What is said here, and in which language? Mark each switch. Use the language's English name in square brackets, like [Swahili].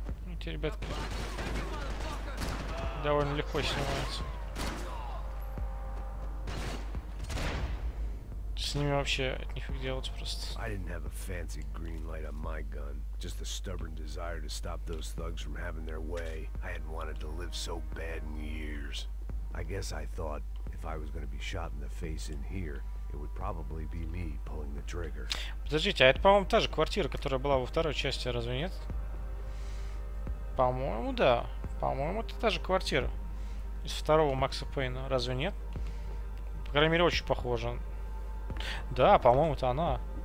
[Russian] Эти ребятки довольно легко снимаются. С ними вообще от них их делать просто. [English] I didn't have a fancy green light on my gun. Just a stubborn desire to stop those thugs from having their way. I hadn't wanted to live so bad in years. I guess I thought if I was going to be shot in the face in here, it would probably be me pulling the trigger. [Russian] Подождите, а это, по-моему, та же квартира, которая была во второй части, разве нет? По-моему, да. По-моему, это та же квартира. Из второго Макса Пейна, разве нет? По крайней мере, очень похоже. Да, по-моему, это она.